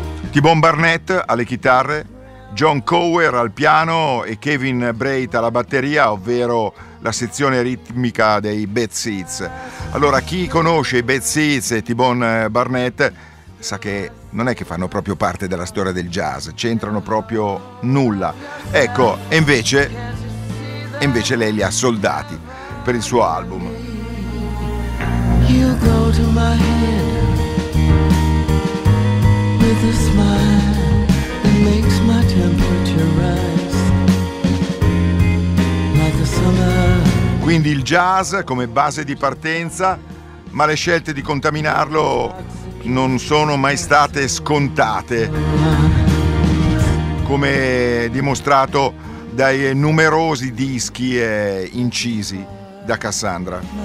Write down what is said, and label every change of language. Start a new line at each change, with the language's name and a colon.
Italian: T-Bone Burnett alle chitarre, John Cower al piano e Kevin Braid alla batteria, ovvero la sezione ritmica dei Bad Seeds. Allora, chi conosce i Bad Seeds e T-Bone Burnett sa che non è che fanno proprio parte della storia del jazz, c'entrano proprio nulla. Ecco, invece lei li ha soldati per il suo album.
English: You go to my head with a smile that makes my temperature rise like a summer.
Italian: Quindi il jazz come base di partenza, ma le scelte di contaminarlo non sono mai state scontate, come dimostrato dai numerosi dischi incisi da Cassandra.